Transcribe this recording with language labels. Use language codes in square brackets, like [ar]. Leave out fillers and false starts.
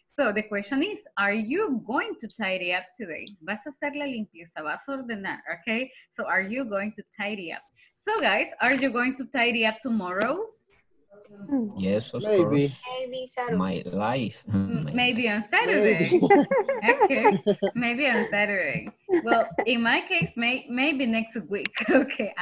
[en] So the question is, are you going to tidy up today? [es] Vas a hacer la limpieza, vas a ordenar, okay? [en] So are you going to tidy up? So guys, are you going to tidy up tomorrow? Yes, of maybe. Course. Maybe Saturday. My life. Maybe on Saturday. Maybe. Okay, maybe on Saturday. Well, in my case, maybe next week, okay?